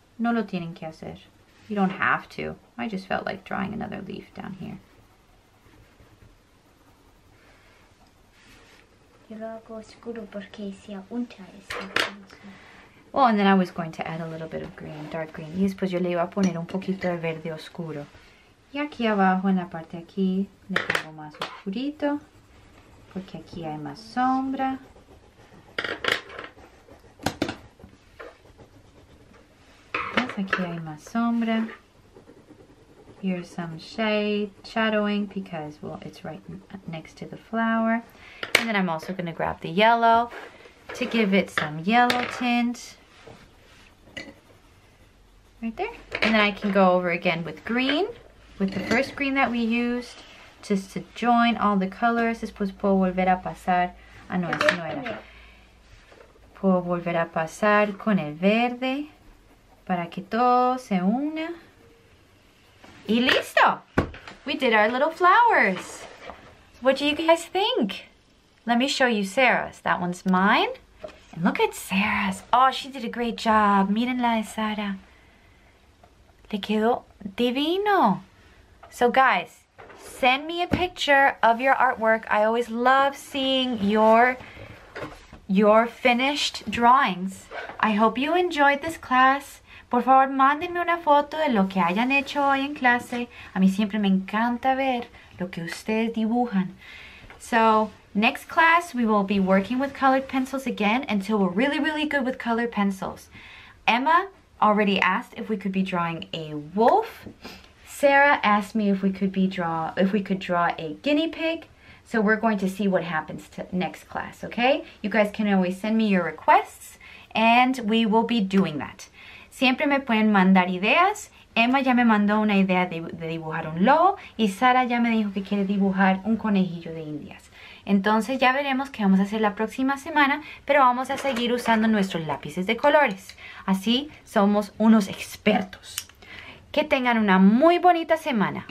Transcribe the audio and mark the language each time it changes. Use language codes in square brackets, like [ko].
[es] No lo tienen que hacer. [en] You don't have to. I just felt like drawing another leaf down here. [es] Yo lo hago oscuro porque se unta ese. [en] Well, and then I was going to add a little bit of green, dark green. [es] Y después yo le iba a poner un poquito de verde oscuro. Y aquí abajo, en la parte de aquí, le pongo más oscurito. Porque aquí hay más sombra. Aquí hay más sombra. [en] Here's some shadowing because, well, it's right next to the flower. And then I'm also going to grab the yellow to give it some yellow tint. Right there. And then I can go over again with green, with the first green that we used, just to join all the colors. [es] Después puedo volver a pasar. Ah, no, eso no era. Puedo volver a pasar con el verde para que todo se una. Y listo! [en] We did our little flowers. What do you guys think? Let me show you Sarah's. That one's mine. And look at Sarah's. Oh, she did a great job. [es] Mírenla de Sara. Le quedó divino. [en] So guys, send me a picture of your artwork. I always love seeing your finished drawings. I hope you enjoyed this class. [es] Por favor, mándenme una foto de lo que hayan hecho hoy en clase. A mí siempre me encanta ver lo que ustedes dibujan. [en] So, next class, we will be working with colored pencils again until we're really, really good with colored pencils. Emma already asked if we could be drawing a wolf. Sarah asked me if we could draw a guinea pig. So we're going to see what happens to next class, okay? You guys can always send me your requests and we will be doing that. [es] Siempre me pueden mandar ideas. Emma ya me mandó una idea de dibujar un lobo y Sara ya me dijo que quiere dibujar un conejillo de indias. Entonces ya veremos qué vamos a hacer la próxima semana, pero vamos a seguir usando nuestros lápices de colores. Así somos unos expertos. Que tengan una muy bonita semana.